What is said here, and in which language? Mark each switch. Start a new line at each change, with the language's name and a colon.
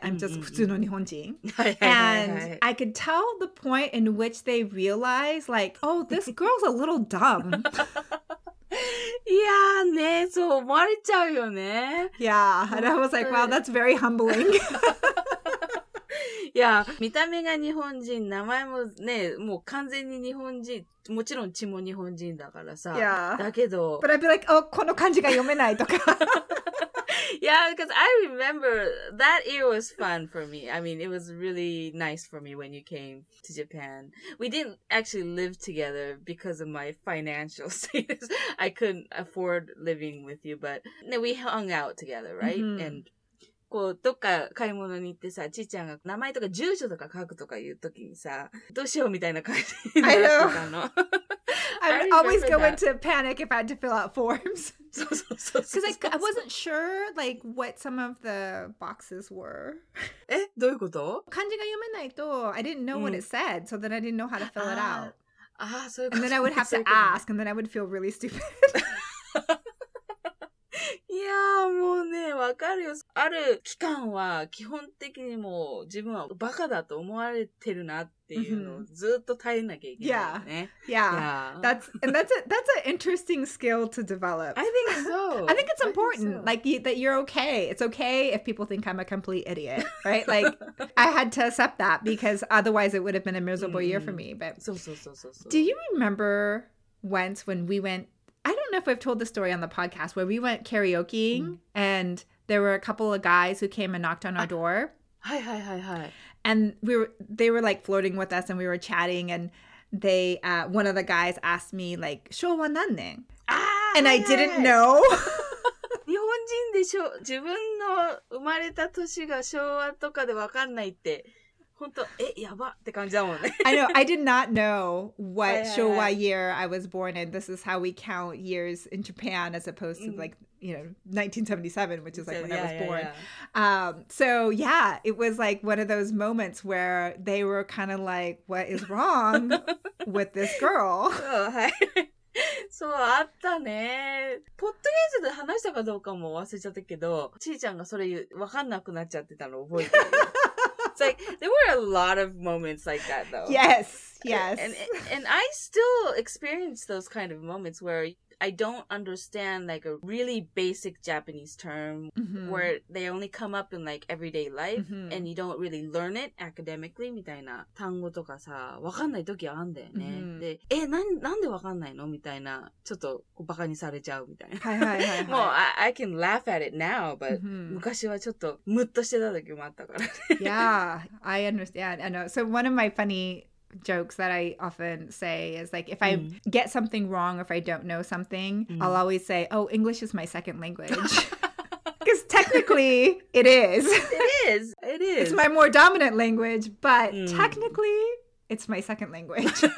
English: I'm just
Japanese: futsu no nihonjin.
English: And I could tell the point in which they realized, like, oh, this girl's a little dumb.
Japanese: Yeah, ne, so 思われちゃうよね。
English: Yeah, and I was like, wow, that's very humbling.
Japanese: いや、見た目が日本人、名前もね、もう完全に日本人、もちろん血も日本人だからさ。
English: Yeah.
Japanese: だけど。
English: But I'd be like, oh,
Japanese: この漢字が読めないとか。
English: Yeah, because I remember that year was fun for me. I mean, it was really nice for me when you came to Japan. We didn't actually live together because of my financial status. I couldn't afford living with you, but we hung out together, right? Mm-hmm.
Japanese: And,こうどっか買い物に行ってさ、ちーちゃんが名前とか住所とか書くとか言うときにさ、どうしようみたいな感じになってたの。
English: I would always go into panic if I had to fill out forms.
Japanese: そうそうそう。
English: Because I wasn't sure like what some of the boxes were.
Japanese: え、どういうこと？漢字が読めないと、
English: I didn't know what it said, so then I didn't know how to fill it out.
Japanese: ああ、そういうこと。
English: And then I would have to ask, and then I would feel really stupid.
Japanese: いやーもうね、わかるよ。ある期間は基本的にもう自分はバカだと思われてるなっていうのをずっと耐えなきゃいけないよね。
English: Yeah. Yeah. That's an interesting skill to develop. I think so. I think it's important. I think so. Like that you're okay. It's okay if people think I'm a complete idiot, right? Like I had to accept that because otherwise it would have been a miserable year for me. But So. Do you remember once when we went I don't know if I've told the story on the podcast where we went karaokeing and there were a couple of guys who came and knocked on our door. Hi. And they were like flirting with us and we were chatting and they one of the guys asked me like,
Japanese: "Showa nan ne?"
English: And I didn't know.
Japanese: 日本人でしょ、自分の生まれた年が昭和とかでわかんないって。
English: I know, I did not know what Showa year I was born in. This is how we count years in Japan as opposed to like, you know, 1977, which is like when I was born. So it was like one of those moments where they were kind of like, what is wrong with this girl?
Japanese: そう、あったね。ポッドキャストで話したかどうかも忘れちゃったけど、ちーちゃんがそれ分かんなくなっちゃってたの覚えてる。
English: It's like, there were a lot of moments like that, though. Yes, yes. And I still experience those kind of moments where I don't understand like a really basic Japanese term mm-hmm. where they only come up in like everyday life mm-hmm. and you don't really learn it academically
Japanese: みたいな単語とかさ、わかんない時あるんだよね。Mm-hmm. で、え、なんでわかんないのみたいな、ちょっとバカにされちゃうみたいな。はいはいはい、はい。
English: もう、I can laugh at it now, but、mm-hmm.
Japanese: 昔はちょっとムッとしてた時もあったから、
English: ね。Yeah, I understand. And so one of my funny... jokes that I often say is like if I get something wrong or if I don't know something I'll always say oh English is my second language because technically it is it's my more dominant language but technically it's my second language